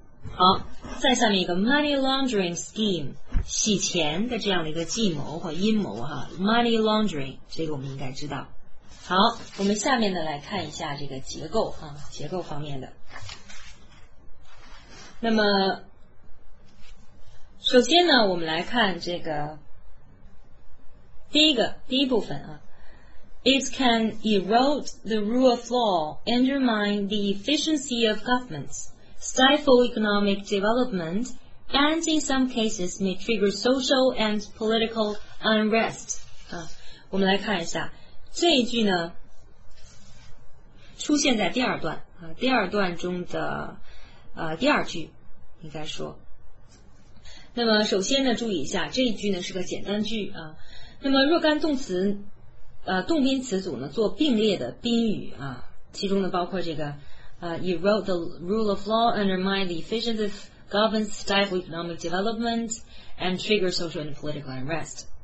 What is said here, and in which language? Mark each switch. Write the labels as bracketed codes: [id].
[zh] 好，再下面一个 money laundering scheme，洗钱的这样的一个计谋或阴谋哈 ，money laundering 这个我们应该知道。好，我们下面呢来看一下这个结构啊，结构方面的。那么，首先呢，我们来看这个第一部分啊。 [en] It can erode the rule of law, undermine the efficiency of governments, stifle economic development, and in some cases may trigger social and political unrest. [zh] 啊，我们来看一下，这一句呢，出现在第二段，啊，第二段中的，第二句，应该说。那么首先呢，注意一下，这一句呢是个简单句，啊，那么若干动词动宾词组呢做并列的宾语啊，其中呢包括这个 erode the rule of law, undermine the efficiency of governments, stifle economic development, and trigger social and political unrest.